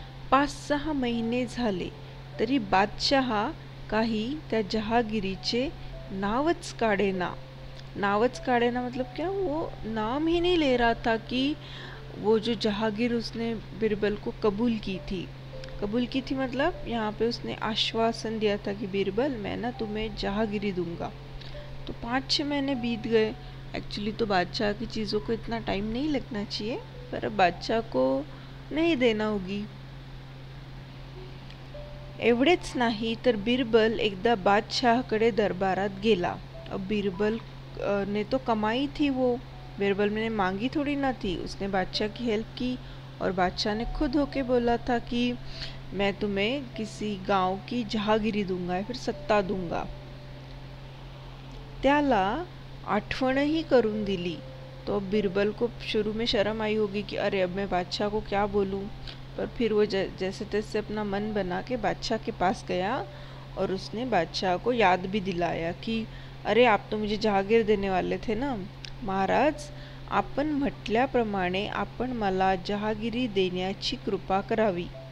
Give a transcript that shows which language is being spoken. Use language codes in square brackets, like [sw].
[mr] 5-6 महीने झाले तरी बादशाह काही त्या जहागिरीचे नावच काढेना [hi] मतलब क्या, वो नाम ही नहीं ले रहा था कि वो जो जहागीर उसने बिरबल को कबूल की थी मतलब यहाँ पे उसने आश्वासन दिया था कि बिरबल मैं ना तुम्हें जहागिरी दूंगा। तो 5-6 महीने बीत गए। एक्चुअली तो बादशाह की चीज़ों को इतना टाइम नहीं लगना चाहिए, पर अब बादशाह को नहीं देना होगी। [mr] एवढेच नाही तर बिरबल एकदा बादशाहकडे दरबारात गेला। [hi] अब बिरबल ने तो कमाई थी, वो बिरबल ने मांगी थोड़ी ना थी, उसने बादशाह की हेल्प की और बादशाह ने खुद होके बोला था कि मैं तुम्हें किसी गांव की जहागिरी दूंगा या फिर सत्ता दूंगा। [mr] त्याला आठवण ही करून दिली। [hi] तो बिरबल को शुरू में शर्म आई होगी कि अरे अब मैं बादशाह को क्या बोलूं, पर फिर वो जैसे तैसे अपना मन बना के बादशाह के पास गया और उसने बादशाह को याद भी दिलाया कि अरे आप तो मुझे जहागीर देने वाले थे ना महाराज, [mr] आपण म्हटल्याप्रमाणे आपण मला जहागिरी देण्याची कृपा करावी।